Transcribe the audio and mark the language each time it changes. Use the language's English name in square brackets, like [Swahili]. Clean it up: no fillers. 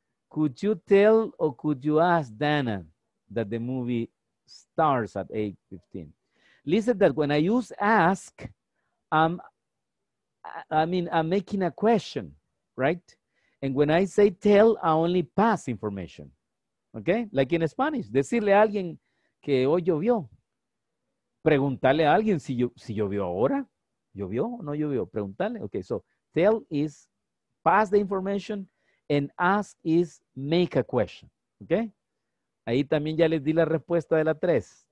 [English] Could you tell or could you ask Dana that the movie starts at 8:15? Listen that when I use ask, I'm making a question, right? And when I say tell, I only pass information. Okay? Like in Spanish, [Spanish] decirle a alguien que hoy llovió. Preguntarle a alguien si llovió ahora. ¿Llovió o no llovió? Preguntarle. [English] Okay, so tell is pass the information and ask is make a question. Okay? [Spanish] Ahí también ya les di la respuesta de la tres.